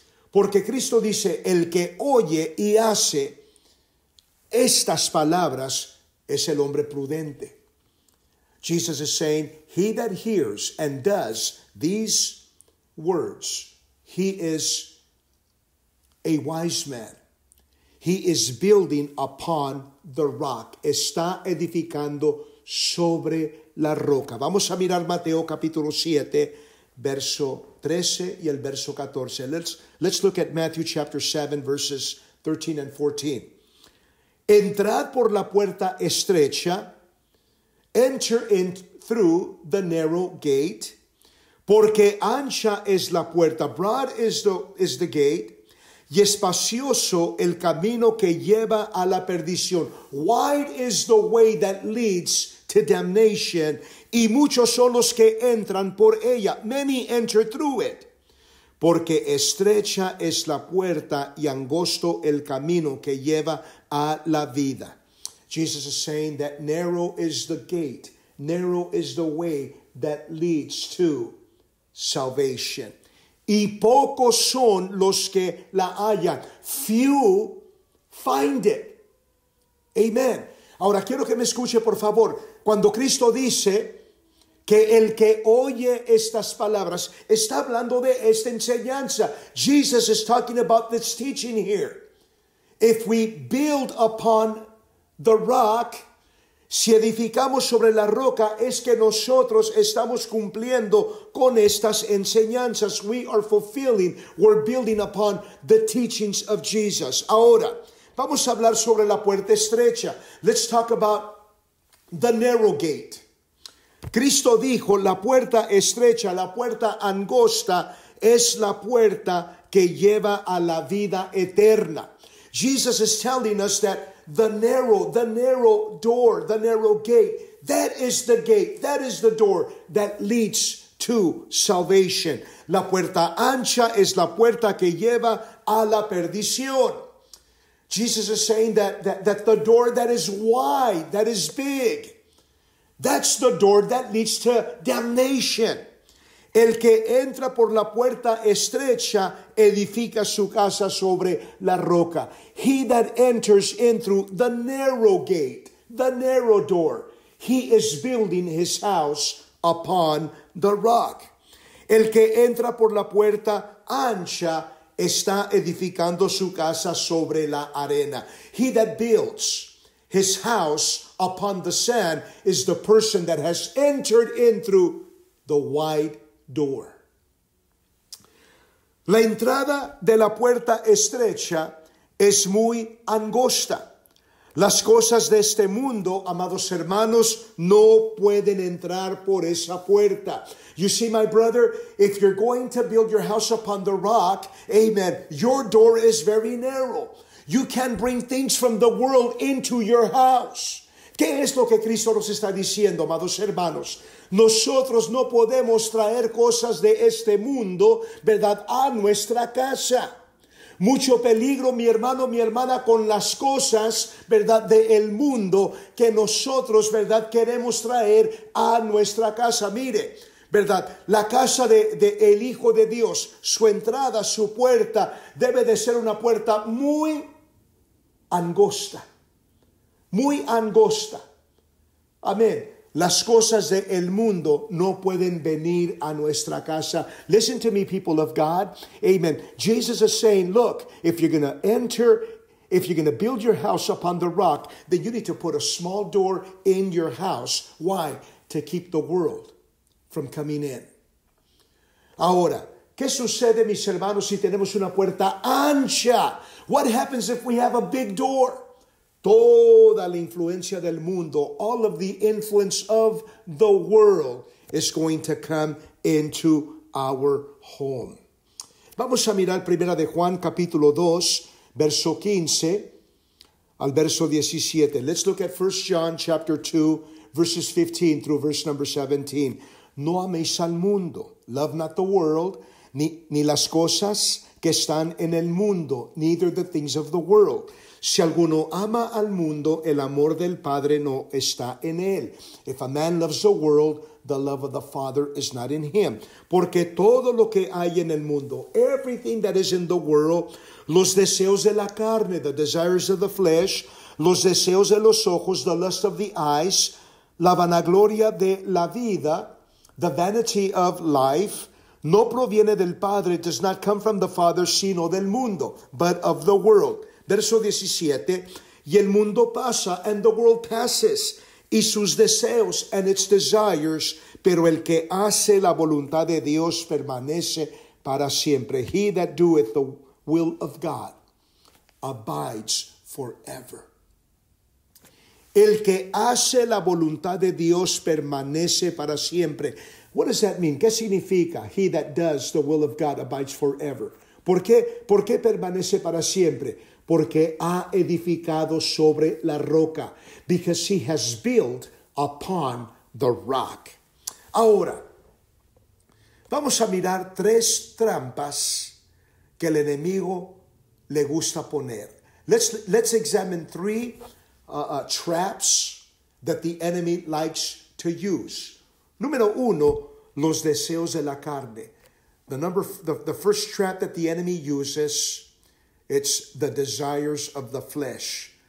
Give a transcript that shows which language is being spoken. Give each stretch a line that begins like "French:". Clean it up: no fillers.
Spanish: Porque Cristo dice, el que oye y hace estas palabras es el hombre prudente.
English: Jesus is saying, he that hears and does these words, he is a wise man. He is building upon the rock.
Spanish: Está edificando sobre la roca. Vamos a mirar Mateo capítulo 7, verso 13 y el verso 14.
English: Let's look at Matthew chapter 7, verses 13 and 14.
Spanish: Entrad por la puerta estrecha,
English: enter in through the narrow gate,
Spanish: porque ancha es la puerta,
English: broad is the gate,
Spanish: y espacioso el camino que lleva a la perdición.
English: Wide is the way that leads to damnation,
Spanish: y muchos son los que entran por ella.
English: Many enter through it.
Spanish: Porque estrecha es la puerta y angosto el camino que lleva a la vida.
English: Jesus is saying that narrow is the gate, narrow is the way that leads to salvation.
Spanish: Y pocos son los que la hallan.
English: Few find it.
Spanish: Amen. Ahora quiero que me escuche, por favor. Cuando Cristo dice que el que oye estas palabras, está hablando de esta enseñanza.
English: Jesus is talking about this teaching here. If we build upon the rock,
Spanish: si edificamos sobre la roca, es que nosotros estamos cumpliendo con estas enseñanzas.
English: We are fulfilling, we're building upon the teachings of Jesus.
Spanish: Ahora, vamos a hablar sobre la puerta estrecha.
English: Let's talk about the narrow gate.
Spanish: Cristo dijo, la puerta estrecha, la puerta angosta, es la puerta que lleva a la vida eterna.
English: Jesus is telling us that the narrow door, the narrow gate, that is the gate, that is the door that leads to salvation.
Spanish: La puerta ancha es la puerta que lleva a la perdición.
English: Jesus is saying that the door that is wide, that is big, that's the door that leads to damnation.
Spanish: El que entra por la puerta estrecha edifica su casa sobre la roca.
English: He that enters in through the narrow gate, the narrow door, he is building his house upon the rock.
Spanish: El que entra por la puerta ancha está edificando su casa sobre la arena.
English: He that builds his house upon the sand is the person that has entered in through the wide door.
Spanish: La entrada de la puerta estrecha es muy angosta. Las cosas de este mundo, amados hermanos, no pueden entrar por esa puerta.
English: You see, my brother, if you're going to build your house upon the rock, amen, your door is very narrow. You can't bring things from the world into your house.
Spanish: ¿Qué es lo que Cristo nos está diciendo, amados hermanos? Nosotros no podemos traer cosas de este mundo, ¿verdad?, a nuestra casa. Mucho peligro, mi hermano, mi hermana, con las cosas, ¿verdad?, del mundo que nosotros, ¿verdad?, queremos traer a nuestra casa. Mire, ¿verdad?, la casa de el Hijo de Dios, su entrada, su puerta, debe de ser una puerta muy angosta. Muy angosta. Amén. Las cosas del mundo no pueden venir a nuestra casa.
English: Listen to me, people of God. Amen. Jesus is saying, look, if you're going to enter, if you're going to build your house upon the rock, then you need to put a small door in your house. Why? To keep the world from coming in.
Spanish: Ahora, ¿qué sucede, mis hermanos, si tenemos una puerta ancha?
English: What happens if we have a big door?
Spanish: Toda la influencia del mundo,
English: all of the influence of the world is going to come into our home.
Spanish: Vamos a mirar Primera de Juan, capítulo 2, verso 15 al verso 17.
English: Let's look at 1 John, chapter 2, verses 15 through verse number 17.
Spanish: No améis al mundo,
English: love not the world,
Spanish: ni las cosas que están en el mundo,
English: neither the things of the world.
Spanish: Si alguno ama al mundo, el amor del Padre no está en él.
English: If a man loves the world, the love of the Father is not in him.
Spanish: Porque todo lo que hay en el mundo,
English: everything that is in the world,
Spanish: los deseos de la carne,
English: the desires of the flesh,
Spanish: los deseos de los ojos,
English: the lust of the eyes,
Spanish: la vanagloria de la vida,
English: the vanity of life,
Spanish: no proviene del Padre,
English: it does not come from the Father,
Spanish: sino del mundo,
English: but of the world.
Spanish: Verso 17, y el mundo pasa,
English: and the world passes,
Spanish: y sus deseos,
English: and its desires,
Spanish: pero el que hace la voluntad de Dios permanece para siempre.
English: He that doeth the will of God abides forever.
Spanish: El que hace la voluntad de Dios permanece para siempre.
English: What does that mean?
Spanish: ¿Qué significa?
English: He that does the will of God abides forever.
Spanish: ¿Por qué permanece para siempre? Porque ha edificado sobre la roca.
English: Because he has built upon the rock.
Spanish: Ahora, vamos a mirar tres trampas que el enemigo le gusta poner.
English: Let's examine three traps that the enemy likes to use.
Spanish: Número uno, los deseos de la carne.
English: The first trap that the enemy uses, it's the desires of the flesh.